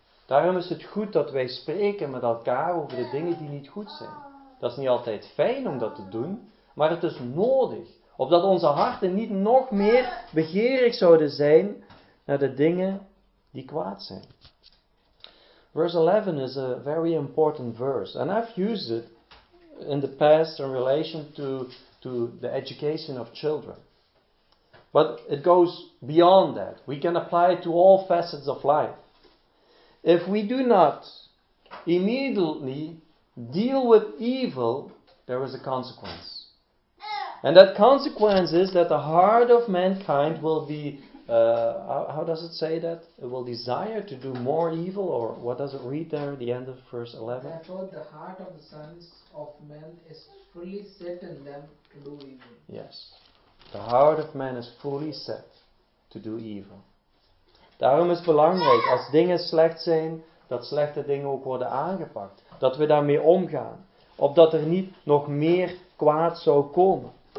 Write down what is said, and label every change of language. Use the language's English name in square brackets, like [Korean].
[Dutch] Daarom is het goed dat wij spreken met elkaar over de dingen die niet goed zijn. Dat is niet altijd fijn om dat te doen. Maar het is nodig, opdat onze harten niet nog meer begeerig zouden zijn naar de dingen die kwaad zijn. [English] Verse 11 is a very important verse. And I've used it in the past in relation to the education of children. But it goes beyond that. We can apply it to all facets of life. If we do not immediately deal with evil, there is a consequence. And that consequence is that the heart of mankind will be, how does it say that? It will desire to do more evil, or what does it read there at the end of verse 11? Therefore, the heart of the sons of men is fully set in them to do evil. Yes, the heart of man is fully set to do evil. [Dutch] Daarom is het belangrijk, als dingen slecht zijn, dat slechte dingen ook worden aangepakt. Dat we daarmee omgaan, opdat er niet nog meer kwaad zou komen.